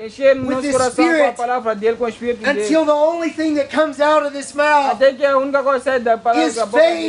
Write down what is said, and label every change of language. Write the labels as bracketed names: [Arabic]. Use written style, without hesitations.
[Portuguese] Encher nosso coração com a palavra dele, com o Espírito dele. [English] Until the only thing that comes out of this mouth. [Portuguese] Até que a única coisa sai da palavra da boca.